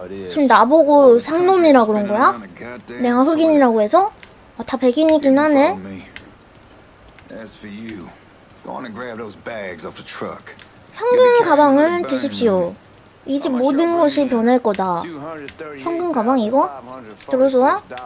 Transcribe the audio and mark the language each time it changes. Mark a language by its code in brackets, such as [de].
[ko] 지금 나보고 상놈이라 그런 거야? 내가 흑인이라고 해서? 아, 다 백인이긴 하네. [en] As for you, go on and grab those bags off the truck. [ko] 현금 가방을 드십시오. 이 집 모든 것이 변할 거다. 현금 가방 이거? 들어줘.